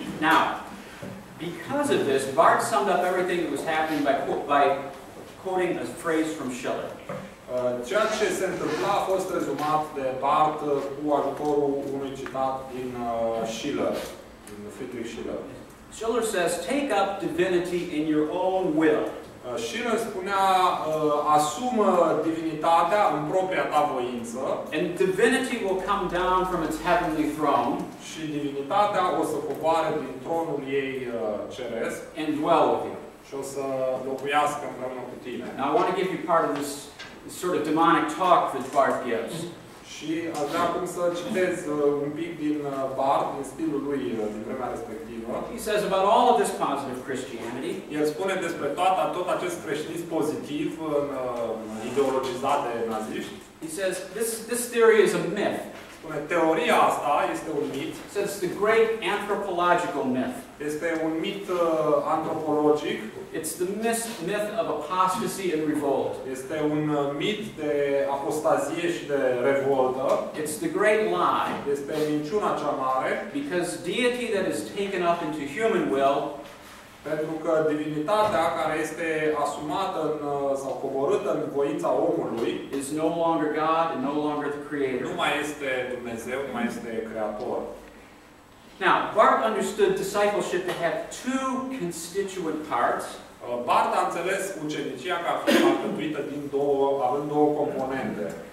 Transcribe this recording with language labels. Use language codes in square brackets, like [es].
[en] Now, because of this, Bart summed up everything that was happening by quoting a phrase from Schiller. [ro] Ceea ce se întâmpla a fost rezumat de Bart cu ajutorul unui citat din Schiller, din Friedrich Schiller. [en] Schiller says, take up divinity in your own will. [ro] Schiller spunea, asumă divinitatea în propria ta voință. [en] And divinity will come down from its heavenly throne. [ro] Și divinitatea o să coboare din tronul ei ceresc. [en] And dwell with you. [ro] Și o să locuiască împreună cu tine. [en] Now I want to give you part of this sort of demonic talk that Bart gives. [ro] Și aș vrea acum să citez un pic din Bart, din stilul lui, din vremea respectivă. [en] He says about all of this positive Christianity. [ro] El spune despre tot acest creștinism pozitiv ideologizat de naziști. [en] He says, this theory is a myth. [ro] Teoria asta este un mit. [en] So it's the great anthropological myth. [ro] Este un mit antropologic. [en] It's the myth of apostasy and revolt. [ro] Este un mit de apostazie și de revoltă. [en] It's the great lie. [ro] Este minciuna cea mare. [en] Because deity that is taken up into human will. [ro] Pentru că divinitatea care este asumată în, sau coborâtă în voința omului [en] is no longer God and no longer the creator. [ro] Nu mai este Dumnezeu, nu mai este creator. [en] Now, Bart understood discipleship to have two constituent parts. [ro] Bart a înțeles ucenicia ca fiind alcătuită din două, având două componente.